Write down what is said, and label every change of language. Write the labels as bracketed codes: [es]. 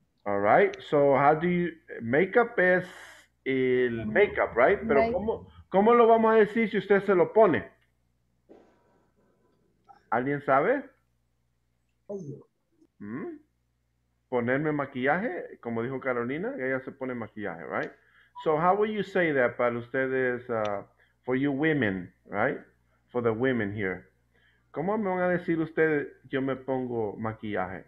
[en] All right, so how do you, makeup [es] es el [en] makeup, right? [es] Pero ¿cómo lo vamos a decir si usted se lo pone? ¿Alguien sabe? ¿Mm? Ponerme maquillaje, como dijo Carolina, ella se pone maquillaje, right? [en] So how would you say that [es] para ustedes, [en] for you women, right? For the women here. [es] ¿Cómo me van a decir ustedes, yo me pongo maquillaje?